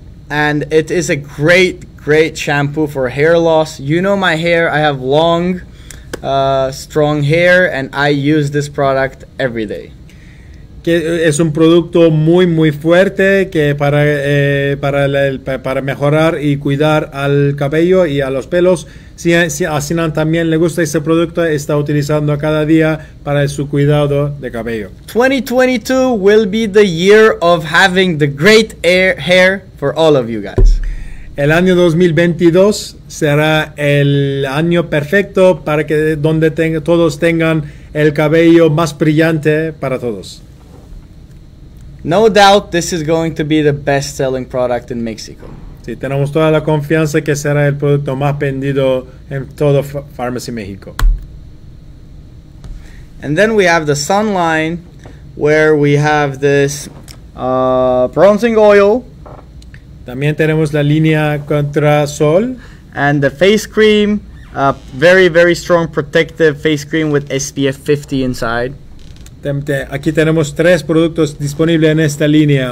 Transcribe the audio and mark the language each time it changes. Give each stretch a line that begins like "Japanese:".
English: And it is a great shampoo for hair loss. You know my hair, I have long strong hair and I use this product every day.
Spanish: Que es un producto muy, muy fuerte que para mejorar y cuidar al cabello y a los pelos. si a Sinan también le gusta ese producto, está utilizando cada día para su cuidado de cabello.
English: 2022 will be the year of having the great hair for all of you guys.
Spanish: El año 2022 será el año perfecto para que donde todos tengan el cabello más brillante para todos.
English: No doubt this is going to be the best selling product in Mexico.
Spanish: Sí, tenemos toda la confianza que será el producto más vendido en todo Farmasi México.
English: And then we have the sun line, where we have this bronzing oil.
Spanish: También tenemos la línea contra sol.
English: And the face cream, a very, very strong protective face cream with SPF 50 inside.
Spanish: Aquí tenemos tres productos disponibles en esta línea.